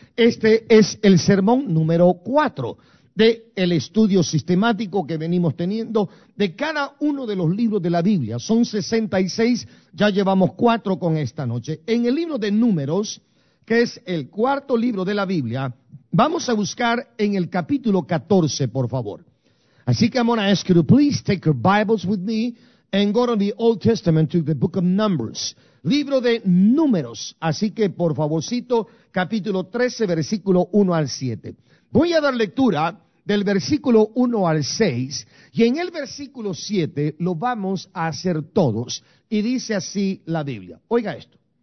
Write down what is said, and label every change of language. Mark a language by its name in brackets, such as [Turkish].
[Spanish] Este es el sermón número 4. De el estudio sistemático que venimos teniendo de cada uno de los libros de la Biblia. Son 66, ya llevamos 4 con esta noche. En el libro de Números, que es el cuarto libro de la Biblia, vamos a buscar en el capítulo 14, por favor. Así que [English] I'm going to ask you to please take your Bibles with me and go to the Old Testament to the book of Numbers. [Spanish] Libro de Números, así que por favorcito, capítulo 13, versículo 1 al 7. Voy a dar lectura del versículo 1 al 6, y en el versículo 7 lo vamos a hacer todos, y dice así la Biblia. Oiga esto.